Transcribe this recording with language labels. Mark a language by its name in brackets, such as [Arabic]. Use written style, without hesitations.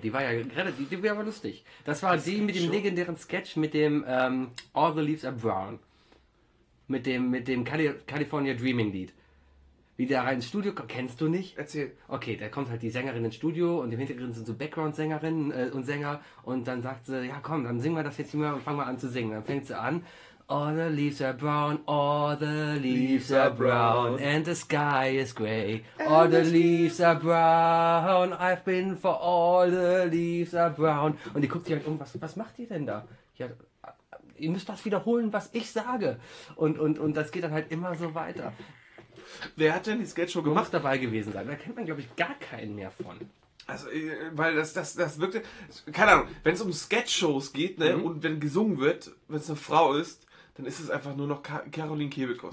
[German] Die war ja die war aber lustig. Das war die mit dem legendären Sketch mit dem All the Leaves Are Brown. Mit dem California Dreaming Lied. Wie der rein ins Studio kommt, kennst du nicht? Erzähl. Okay, da kommt halt die Sängerin ins Studio und im Hintergrund sind so Background-Sängerinnen und Sänger und dann sagt sie, ja komm, dann singen wir das jetzt mal und fangen wir an zu singen. Dann fängt sie an. [English] All the leaves are brown, all the leaves are brown, and the sky is gray. All the leaves are brown, I've been for all the leaves are brown. [German] Und die guckt sich halt um, was macht ihr denn da? Ja, ihr müsst das wiederholen, was ich sage. Und das geht dann halt immer so weiter. Wer hat denn die Sketchshow gemacht? Muss dabei gewesen sein. Da kennt man, glaube ich, gar keinen mehr von. Also, weil das wirkte. Keine Ahnung, wenn es um Sketchshows geht, ne, und wenn gesungen wird, wenn es eine Frau ist, dann ist es einfach nur noch Caroline Kebekus.